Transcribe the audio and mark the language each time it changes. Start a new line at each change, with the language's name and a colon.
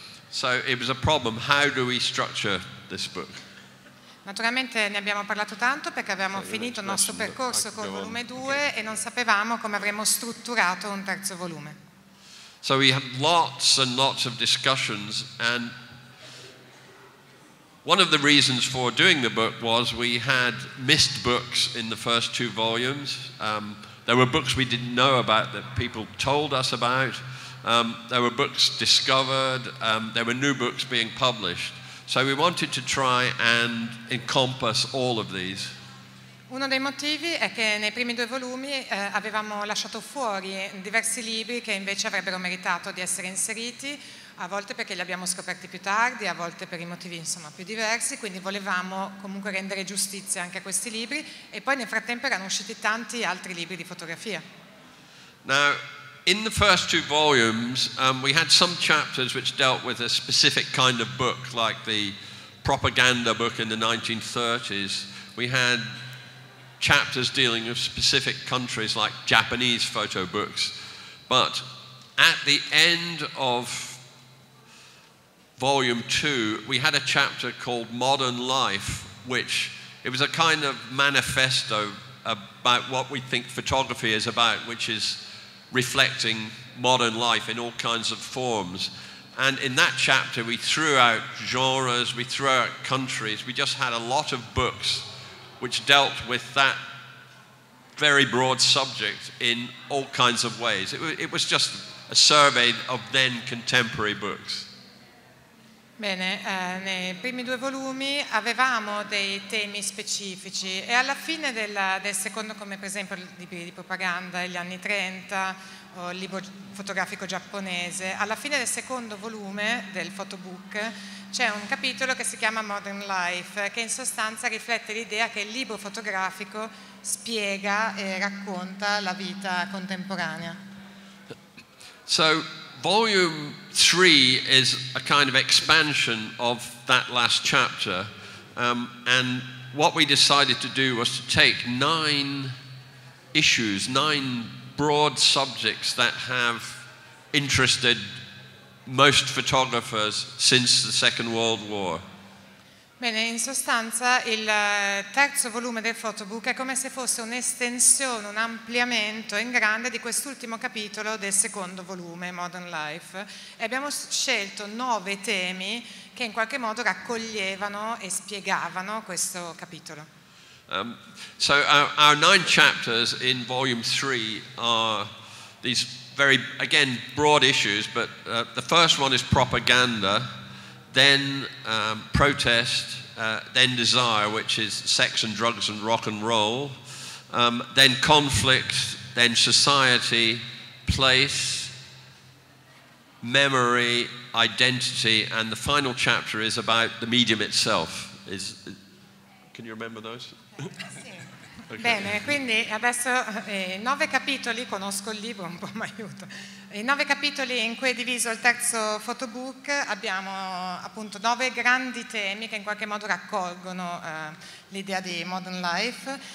English: So it was a problem, how do we structure this book?
Italian: Naturalmente ne abbiamo parlato tanto perché avevamo finito il nostro percorso con volume 2 e non sapevamo come avremmo strutturato un terzo volume.
English: So we had lots and lots of discussions and one of the reasons for doing the book was we had missed books in the first two volumes. There were books we didn't know about that people told us about. There were books discovered. There were new books being published. So we wanted to try and encompass all of these.
Italian: Uno dei motivi è che nei primi due volumi avevamo lasciato fuori diversi libri che invece avrebbero meritato di essere inseriti, a volte perché li abbiamo scoperti più tardi, a volte per i motivi insomma più diversi, quindi volevamo comunque rendere giustizia anche a questi libri e poi nel frattempo erano usciti tanti altri libri di fotografia.
English: Now, in the first two volumes, we had some chapters which dealt with a specific kind of book, like the propaganda book in the 1930s. We had chapters dealing with specific countries like Japanese photo books. But at the end of volume two, we had a chapter called Modern Life, which it was a kind of manifesto about what we think photography is about, which is reflecting modern life in all kinds of forms. And in that chapter, we threw out genres, we threw out countries, we just had a lot of books which dealt with that very broad subject in all kinds of ways. It was just a survey of then contemporary books.
Italian: Bene, nei primi due volumi avevamo dei temi specifici e alla fine del secondo, come per esempio libri di propaganda degli anni 30 o il libro fotografico giapponese, alla fine del secondo volume del photobook c'è un capitolo che si chiama Modern Life, che in sostanza riflette l'idea che il libro fotografico spiega e racconta la vita contemporanea.
English: So volume 3 is a kind of expansion of that last chapter, and what we decided to do was to take 9 issues, 9 broad subjects that have interested most photographers since the Second World War.
Italian: Bene, in sostanza il terzo volume del photobook è come se fosse un'estensione, un ampliamento in grande di quest'ultimo capitolo del secondo volume, Modern Life. E abbiamo scelto 9 temi che in qualche modo raccoglievano e spiegavano questo capitolo.
English: So our 9 chapters in volume 3 are these very, again, broad issues, but the first one is propaganda. Then protest, then desire, which is sex and drugs and rock and roll, then conflict, then society, place, memory, identity, and the final chapter is about the medium itself. Can you remember those? Okay.
Italian: Bene, quindi adesso nove capitoli, conosco il libro, un po' mi aiuto. I nove capitoli in cui è diviso il terzo photobook, abbiamo appunto nove grandi temi che in qualche modo raccolgono l'idea di modern life.